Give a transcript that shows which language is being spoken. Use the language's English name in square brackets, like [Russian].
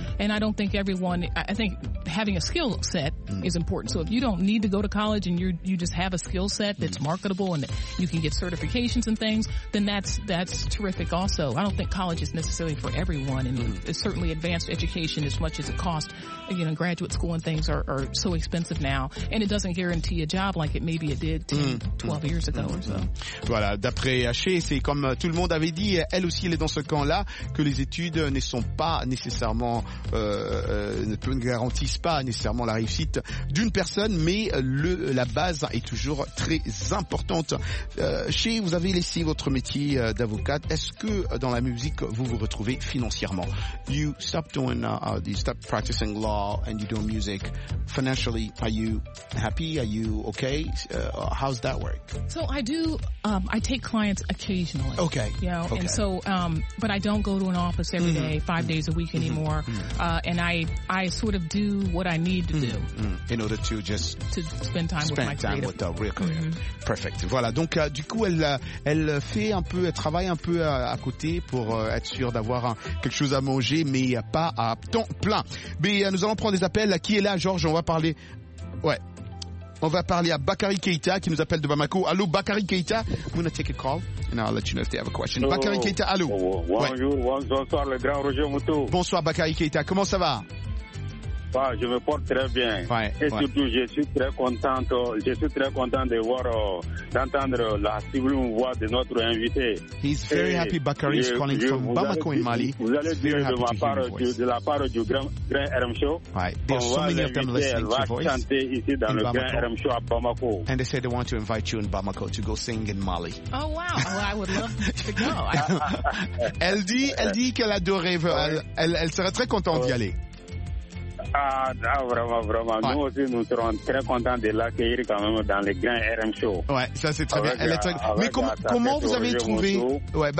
[English] And I don't think I think having a skill set is important. So if you don't need to go to college and you just have a skill set that's marketable and you can get certifications and things, then that's terrific also. I don't think college is necessarily for everyone, and it's certainly advanced education, as much as it costs, you know, graduate school and things are so expensive now, and it doesn't guarantee a job like it maybe it did 10, 12 years ago or so. [French] Voilà, d'après Haché, c'est comme tout le monde avait dit, elle aussi elle est dans ce camp-là, que les études ne sont pas nécessairement ne garantissent pas nécessairement la réussite d'une personne, mais la base est toujours très importante. Chez vous avez laissé votre métier d'avocate, est-ce que dans la musique vous vous retrouvez financièrement? [English] You stopped doing you stopped practicing law and you do music. Financially, are you happy? Are you okay? How's that work? So I do I take clients occasionally. Okay. You know, okay. And so but I don't go to an office every day, 5 days a week anymore. And I sort of do what I need to do. In order to just spend time with the real career. Perfect. Voilà. [French] Donc, du coup, elle travaille un peu à côté pour être sûre d'avoir quelque chose à manger, mais pas à temps plein. Mais nous allons prendre des appels. Qui est là, Georges? On va parler à Bakary Keïta qui nous appelle de Bamako. Allô, Bakary Keïta. [English] I'm going to take a call and I'll let you know if they have a question. [French] Bakary Keïta, allô. Bonsoir, le grand Roger Moutou. Bonsoir, Bakary Keïta. Comment ça va? Bah, je me porte très bien. Ouais, et surtout, je suis très content de voir, d'entendre la sublime voix de notre invité. [English] He's very happy Bakary is calling from Bamako in Mali. [French] Vous allez dire de la part du grand RM Show. Ouais. [English] There are so many of them listening to your voice. [French] Dans le grand RM Show à Bamako. [English] And they said they want to invite you in Bamako to go sing in Mali. Oh wow. Well, I would love to go. [French] elle dit qu'elle adorait, elle serait très contente d'y aller. Ah, vraiment. Ouais. Nous aussi, nous serons très contents de l'accueillir quand même dans les grands RM Show. Ouais, ça c'est très bien. Elle est très... Mais comment vous avez trouvé? Ouais,